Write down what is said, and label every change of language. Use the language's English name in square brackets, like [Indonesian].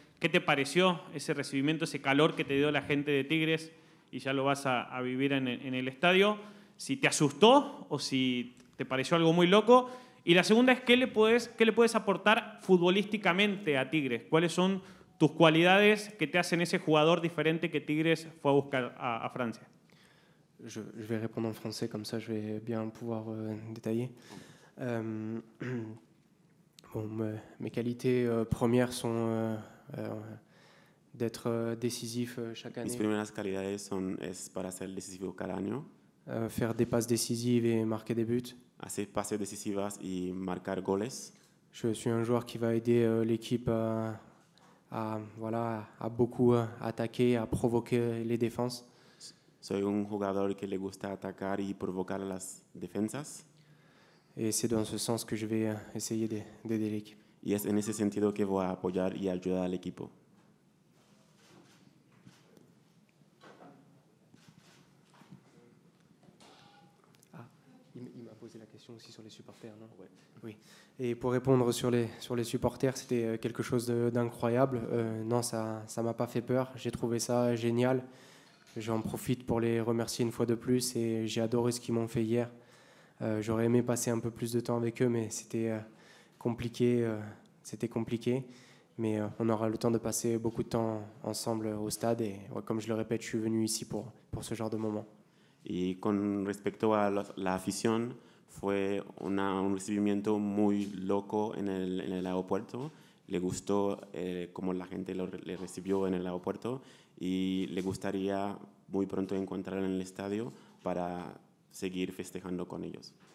[Spanish] ¿Qué te pareció ese recibimiento, ese calor que te dio la gente de Tigres y ya lo vas a vivir en el estadio? ¿Si te asustó o si te pareció algo muy loco? Y la segunda es, ¿qué le puedes aportar futbolísticamente a Tigres? ¿Cuáles son tus cualidades que te hacen ese jugador diferente que Tigres fue a buscar a Francia? [French] Je vais répondre en français, comme ça je vais bien pouvoir détailler. Bon, mes qualités premières sont d'être décisif chaque année. [Spanish] Mis primeras cualidades son es para ser decisivo cada año. [French] Faire des passes décisives et marquer des buts. [Spanish] Hacer pases decisivas y marcar goles. [French] Je suis un joueur qui va aider l'équipe à beaucoup attaquer, à provoquer les défenses. [Spanish] Soy un jugador que le gusta atacar y provocar las defensas. [French] Et c'est dans ce sens que je vais essayer d'aider l'équipe. [Spanish] Y es en ese sentido que voy a apoyar y ayudar al equipo. [French] Ah, il m'a posé la question aussi sur les supporters, non? Ouais. Oui. Et pour répondre sur les supporters, c'était quelque chose d'incroyable. Non, ça m'a pas fait peur. J'ai trouvé ça génial. J'en profite pour les remercier une fois de plus et j'ai adoré ce qu'ils m'ont fait hier. J'aurais aimé passer un peu plus de temps avec eux, mais c'était compliqué. C'était compliqué, mais on aura le temps de passer beaucoup de temps ensemble au stade. Et ouais, comme je le répète, je suis venu ici pour ce genre de moment. [Spanish] Et con respecto a la afición, fue un recibimiento muy loco en el aeropuerto. Le gustó como la gente le recibió en el aeropuerto y le gustaría muy pronto encontrar en el estadio para seguir festejando con ellos.